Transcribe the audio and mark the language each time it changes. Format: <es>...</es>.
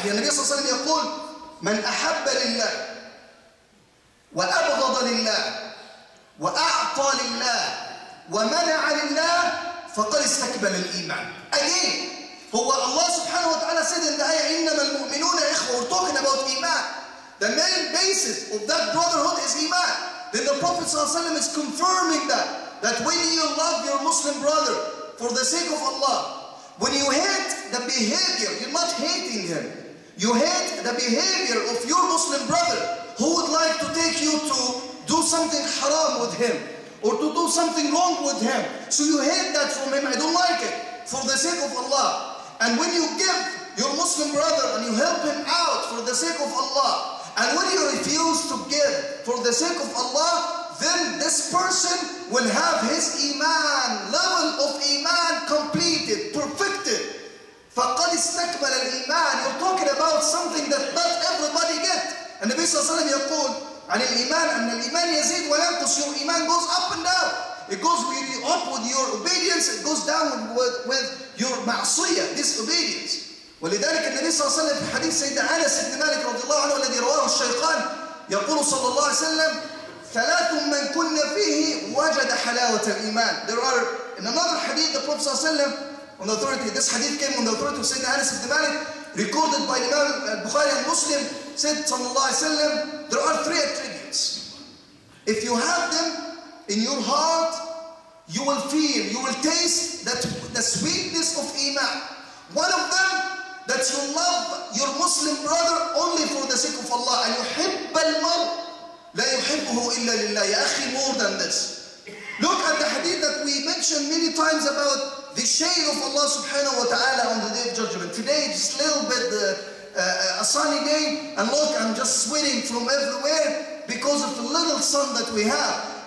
<ar>النبي صلى الله عليه وسلم يقول: من أحب لله وأبغض لله وأعطى لله ومنع لله فقد استكمل الإيمان.</ar> <en>Again,</en> <ar>هو الله سبحانه وتعالى</ar> <en>said in the ayah</en> <ar>إنما المؤمنون إخوة.</ar> <en>We're talking about إيمان. The main basis of that brotherhood is إيمان. Then the Prophet صلى الله عليه وسلم is confirming that. That when you love your Muslim brother for the sake of Allah, when you hate the behavior, you're not hating him. You hate the behavior of your Muslim brother who would like to take you to do something haram with him or to do something wrong with him. So you hate that from him. I don't like it for the sake of Allah. And when you give your Muslim brother and you help him out for the sake of Allah, and when you refuse to give for the sake of Allah, then this person will have his iman, level of iman completed, perfected.</en> <ar>فَقَدْ اسْتَكْمَلَ الْإِيمَانِ.</ar> <en>You're talking about something that not everybody get.</en> <ar>And Nabi Sallallahu Alaihi Wasallam يقول عن الإيمان أن الإيمان يزيد وينقص.</ar> <en>Your iman goes up and down. It goes really up with your obedience. It goes down with your ma'asiyah, disobedience.</en> <ar>ولذلك النبي صلى الله عليه وسلم في حديث سيدنا أنس بن مالك رضي الله عنه الذي رواه الشيخان يقول صلى الله عليه وسلم: ثلاث من كنا فيه وجد حلاوة الإيمان.</ar> <en>There are in another hadith the Prophet صلى الله عليه وسلم on the authority. This hadith came on the authority of سيدنا أنس بن مالك recorded by Imam Bukhari and Muslim. Said صلى الله عليه وسلم: There are three attributes. If you have them in your heart, you will feel, you will taste that the sweetness of إيمان. One of them that you love your Muslim brother only for the sake of Allah.</en> <ar>أن يحب المرء لا يحبه إلا لله. يا أخي,</ar> <en>more than this. Look at the hadith that we mentioned many times about the shade of Allah subhanahu wa ta'ala on the day of judgment. Today just a little bit a sunny day, and look, I'm just sweating from everywhere because of the little sun that we have.</en>